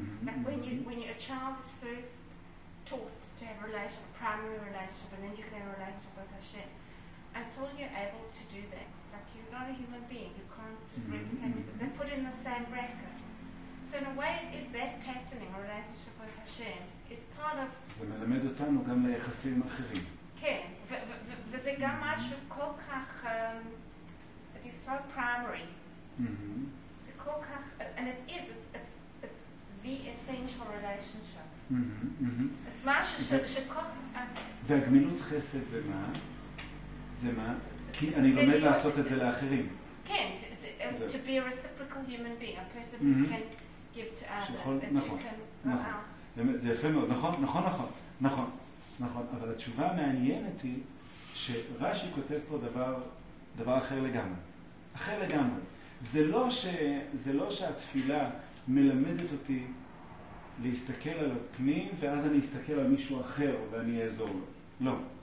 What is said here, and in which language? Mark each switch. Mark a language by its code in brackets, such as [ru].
[en] Like when a child is first taught to have a relationship, a primary relationship, and then you can have a relationship with Hashem, until you're able to do that, like you're not a human being, you can't replicate yourself, they're put in the same bracket. So in a way, it is that patterning, a relationship with Hashem, is part of... [he] זה מלמד אותנו גם ליחסים אחרים. כן, וזה גם משהו כל כך... [en] it's so primary. The kokach, and it is, it's the essential relationship. [he] It's mashu shekokach. והגמילות חסד זה מה? זה מה? כי אני לומד לעשות את זה לאחרים. [en] כן, to be a reciprocal human being, a person who can give to others, and who can go out. [he] זה יפה מאוד, נכון, נכון, נכון, נכון, נכון. אבל התשובה המעניינת היא שרשי כותב פה דבר אחר לגמרי. אחר לגמרי. זה לא שהתפילה מלמדת אותי להסתכל על הפנים ואז אני אסתכל על מישהו אחר ואני אעזור לו. לא.